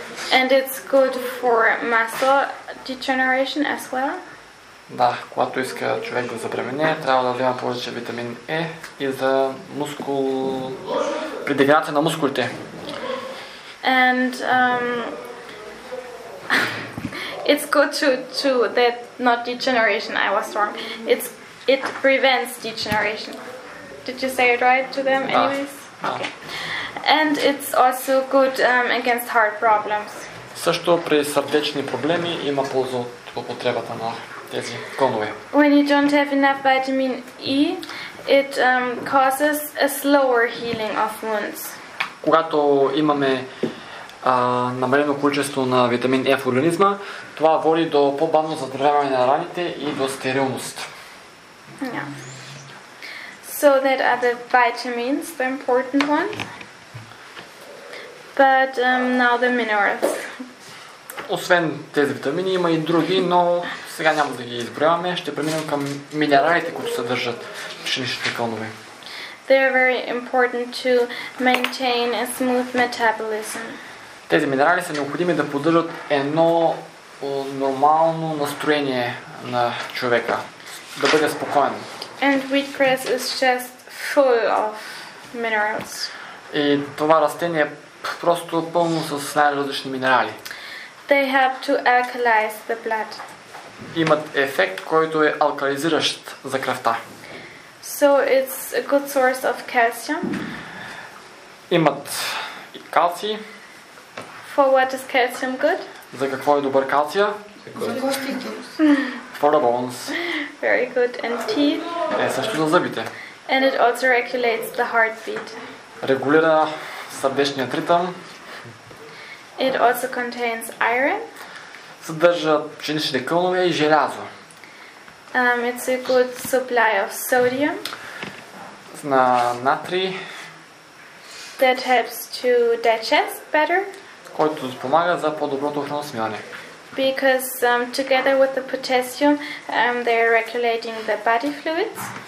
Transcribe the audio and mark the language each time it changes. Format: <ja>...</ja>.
<en>And it's good for muscle degeneration as well.</en> <bg>Да, когато иска човек да забременее, трябва да взема повече витамин E и за мускул при дегенерация на мускулите.</bg> <en>And it's good to that not degeneration, I was wrong. It prevents degeneration. Did you say it right to them anyways?</en> <bg>Да. Okay.</bg> <en>And it's also good against heart problems.</en> <bg>Също при сърдечни проблеми има полза от употребата на тези клонове.</bg> <en>When you don't have enough vitamin E, it causes a slower healing of wounds.</en> <bg>Когато имаме намалено количество на витамин E в организма, това води до по-бавно заздравяване на раните и до стерилност.</bg> <en>Yeah. So that are the vitamins, the important ones. But now the minerals.</en> <bg>Освен тези витамини има и други, но сега няма да ги изброяваме. Ще преминем към минералите, които съдържат пшеничните кълнове.</bg> <en>They are very important to maintain a smooth metabolism.</en> <bg>Тези минерали са необходими да поддържат едно нормално настроение на човека, да бъде спокоен.</bg> <en>And wheatgrass is just full of minerals.</en> <bg>И това растение е просто пълно с най-различни минерали.</bg> <en>They help to alkalize the blood.</en> <bg>имат ефект, който е алкализиращ за кръвта.</bg> <en>So it's a good source of calcium.</en> <bg>Имат и калци.</bg> <en>For what is calcium good?</en> <bg>За какво е добър калция? За костите.</bg> <en>For the bones. Very good. And teeth.</en> <bg>Е, също за зъбите.</bg> <en>And it also regulates the heartbeat.</en> <bg>Регулира сърдечния ритъм.</bg> <en>It also contains iron.</en> <bg>Съдържа пшенични кълнове и желязо.</bg> <en>It's a good supply of sodium.</en> <bg>На натрий.</bg> <en>That helps to digest better.</en> <bg>Който спомага за по-доброто храносмилане.</bg> <en>Because together with the potassium, they're regulating the body fluids.</en>